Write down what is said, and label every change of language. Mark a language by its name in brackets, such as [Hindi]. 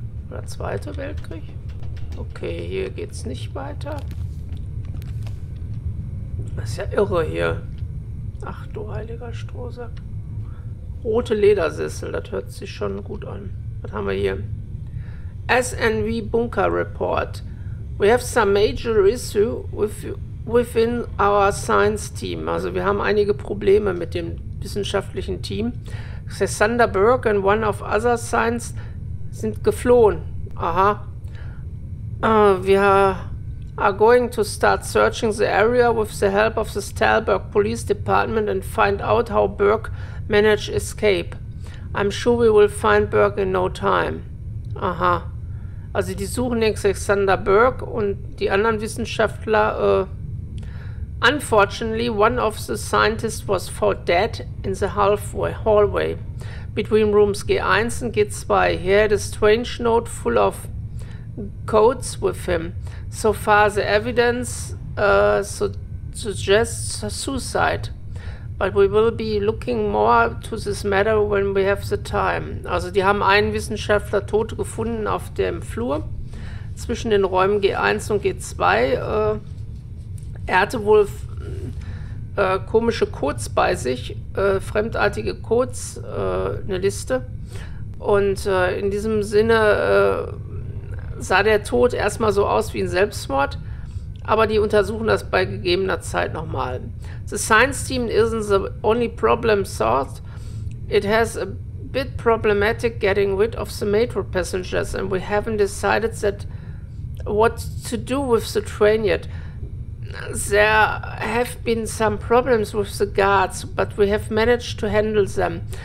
[German] Oder Zweiter Weltkrieg? Okay, hier geht's nicht weiter. Das ist ja irre hier. Ach du heiliger Strohsack. Rote Ledersessel, das hört sich schon gut an. Was haben wir hier? SNV Bunker Report. [English] We have some major issue within our science team. [German] Also wir haben einige Probleme mit dem wissenschaftlichen Team. [English] Cassandra Burke and one of other science [German] sind geflohen. [English] Aha. Wir are going to start searching the area with the help of the Stahlberg Police Department and find out how Burke managed escape. I'm sure we will find Burke in no time. Aha. [German] Also die suchen den Alexander Burke und die anderen Wissenschaftler. [English] Unfortunately, one of the scientists was found dead in the hallway between rooms G1 and G2. He had a strange note full of codes with him. So far, the evidence suggests suicide. But we will be looking more to this matter when we have the time. [German] Also, die haben einen Wissenschaftler tot gefunden auf dem Flur zwischen den Räumen G1 und G2. Er hatte wohl komische Codes bei sich, fremdartige Codes, eine Liste. Und in diesem Sinne sah der Tod erstmal so aus wie ein Selbstmord, aber die untersuchen das bei gegebener Zeit nochmal. [English] The science team isn't the only problem solved. It has a bit problematic getting rid of the metro passengers and we haven't decided that what to do with the train yet. There have been some problems with the guards, but we have managed to handle them.